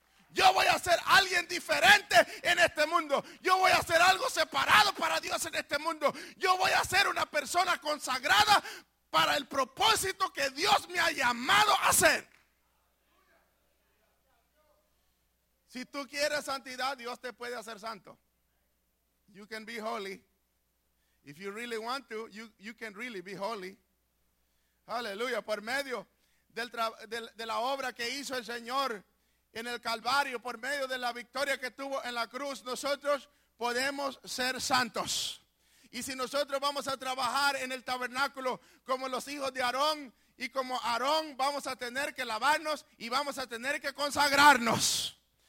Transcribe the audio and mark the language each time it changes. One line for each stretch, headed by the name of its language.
Spanish: Yo voy a ser alguien diferente en este mundo. Yo voy a hacer algo separado para Dios en este mundo. Yo voy a ser una persona consagrada para el propósito que Dios me ha llamado a hacer. Si tú quieres santidad, Dios te puede hacer santo.
English: You can be holy. If you really want to, you can really be holy.
Spanish: Aleluya, por medio de la obra que hizo el Señor en el Calvario, por medio de la victoria que tuvo en la cruz, nosotros podemos ser santos. Y si nosotros vamos a trabajar en el tabernáculo como los hijos de Aarón, y como Aarón, vamos a tener que lavarnos y vamos a tener que consagrarnos.